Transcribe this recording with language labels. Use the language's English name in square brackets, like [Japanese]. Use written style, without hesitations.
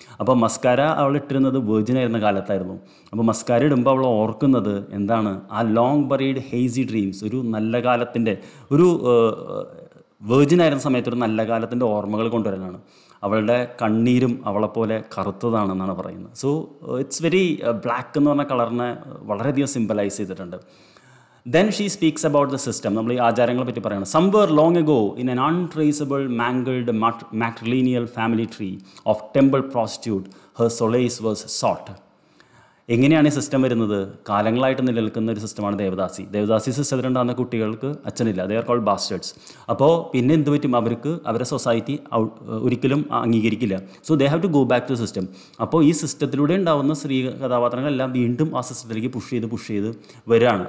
[Malayalam] അപ്പോൾ മസ്കാര അവൾ ഇട്ടിരുന്നത് വെർജിൻ ആയിരുന്ന കാലത്തായിരുന്നു. അപ്പോൾ മസ്കാര ഇടുമ്പോൾ അവൾ ഓർക്കുന്നത് എന്താണ്, ആ [English] long buried hazy dreams, [Malayalam] ഒരു നല്ല കാലത്തിൻ്റെ, ഒരു വെർജിൻ ആയിരുന്ന സമയത്ത് ഒരു നല്ല കാലത്തിൻ്റെ ഓർമ്മകൾ കൊണ്ടുവരാനാണ്. അവളുടെ കണ്ണീരും അവളെപ്പോലെ കറുത്തതാണെന്നാണ് പറയുന്നത്. [English] so it's very black [Malayalam] എന്ന് പറഞ്ഞ കളറിനെ വളരെയധികം സിമ്പലൈസ് ചെയ്തിട്ടുണ്ട്. [English] Then she speaks about the system. [Malayalam] നമ്മൾ ഈ ആചാരങ്ങളെ പറ്റി പറയണം. [English] Somewhere long ago, in an untraceable, mangled, matrilineal family tree of temple prostitute, her solace was sought. [Malayalam] എങ്ങനെയാണ് ഈ സിസ്റ്റം വരുന്നത്? കാലങ്ങളായിട്ട് നിലനിൽക്കുന്ന ഒരു സിസ്റ്റമാണ് ദേവദാസി. ദേവദാസി സിസ്റ്റത്തിൽ ഉണ്ടാകുന്ന കുട്ടികൾക്ക് അച്ഛനില്ല, [English] They are called bastards. [Malayalam] അപ്പോൾ പിന്നെ എന്ത് പറ്റും, അവർക്ക് അവരെ സൊസൈറ്റി ഒരിക്കലും അംഗീകരിക്കില്ല. [English] So they have to go back to system. [Malayalam] അപ്പോൾ ഈ സിസ്റ്റത്തിലൂടെ ഉണ്ടാകുന്ന സ്ത്രീ കഥാപാത്രങ്ങളെല്ലാം വീണ്ടും ആ സിസ്റ്റത്തിലേക്ക് പുഷ് ചെയ്ത് വരികയാണ്.